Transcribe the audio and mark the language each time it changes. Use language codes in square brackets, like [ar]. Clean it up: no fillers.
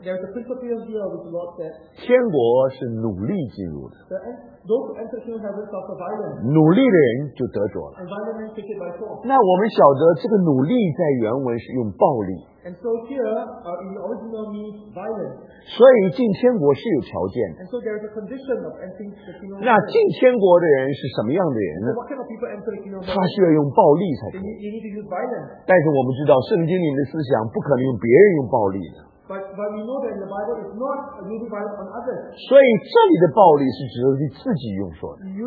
[en] there is a principle of the Lord that [zh] 天国是努力进入的 [en] those who enter kingdom of heaven suffer violence [zh] 努力的人就得着了 [en] and violent men take it by force [zh] 那我们晓得这个努力在原文是用暴力 [en] and so here, in the original means violence [zh] 所以进天国是有条件的。那进天国的人是什么样的人呢？他需要用暴力才可以。但是我们知道，圣经里的思想不可能用别人用暴力的。所以这里的暴力是指你自己用说的。